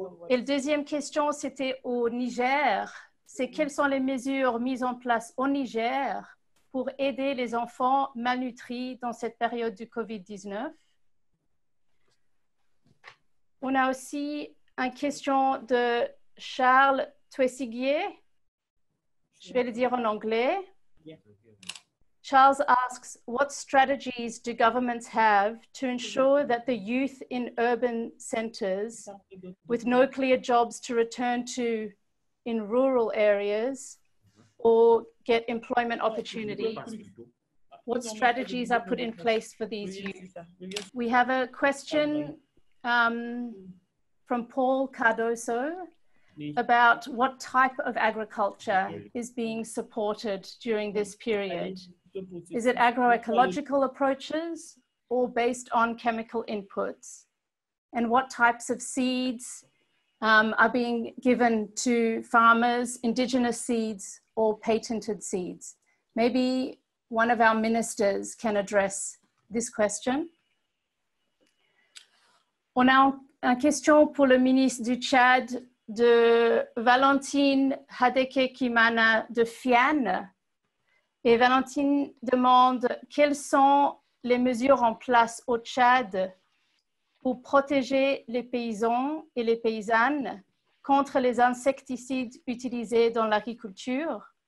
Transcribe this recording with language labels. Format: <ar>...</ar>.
<fr>Et la deuxième question, c'était au Niger, c'est quelles sont les mesures mises en place au Niger pour aider les enfants malnutris dans cette période du COVID-19? On a aussi une question de Charles Tuessiguier. Je vais le dire en anglais.</fr> <en>Charles asks, what strategies do governments have to ensure that the youth in urban centers with no clear jobs to return to in rural areas or get employment opportunities? What strategies are put in place for these youth? We have a question from Paul Cardoso about what type of agriculture is being supported during this period. Is it agroecological approaches or based on chemical inputs? And what types of seeds are being given to farmers, indigenous seeds or patented seeds? Maybe one of our ministers can address this question.</en> <fr>On a une question pour le ministre du Tchad de Valentine Hadeke-Kimana de FIAN. Et Valentine demande quelles sont les mesures en place au Tchad pour protéger les paysans et les paysannes contre les insecticides utilisés dans l'agriculture?</fr>